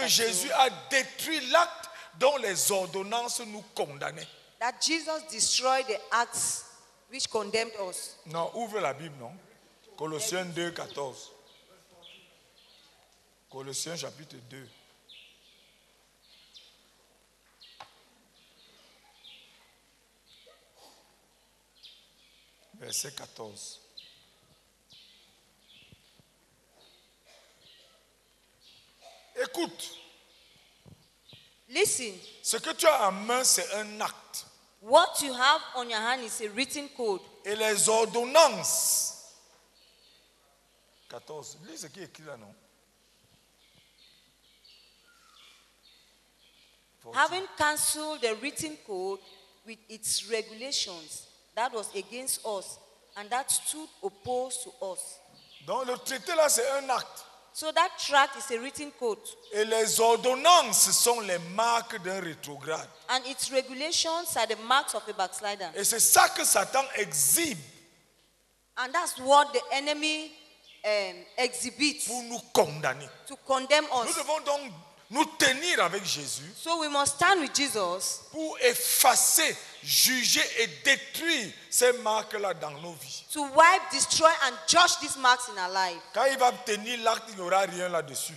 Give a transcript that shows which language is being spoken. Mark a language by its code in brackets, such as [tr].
[fr] Que Jésus a détruit l'acte dont les ordonnances nous condamnaient. [en] That Jesus destroyed the acts which condemned us. [fr] Non, ouvre la Bible, non? Colossiens 2, 14. Colossiens chapitre 2. Verset 14. Écoute. [en] Listen. [fr] Ce que tu as en main, c'est un acte. [en] What you have on your hand is a written code. [fr] Et les ordonnances. 14. Lis ce qui est écrit là, non? 14. [en] Having cancelled the written code with its regulations that was against us and that stood opposed to us. [fr] Donc le traité là, c'est un acte. [en] So that tract is a written code. [fr] Et les ordonnances sont les marques d'un rétrograde. [en] And its regulations are the marks of a backslider. [fr] Et c'est ça que Satan exhibe. [en] And that's what the enemy exhibits. [fr] Pour nous condamner. [en] To condemn us. [fr] Nous devons donc nous tenir avec Jésus. [en] So we must stand with Jesus. [fr] Pour effacer, juger et détruire ces marques-là dans nos vies. [en] To wipe, destroy and judge these marks in our life. [fr] Quand il va tenir l'acte, il n'y aura rien là-dessus.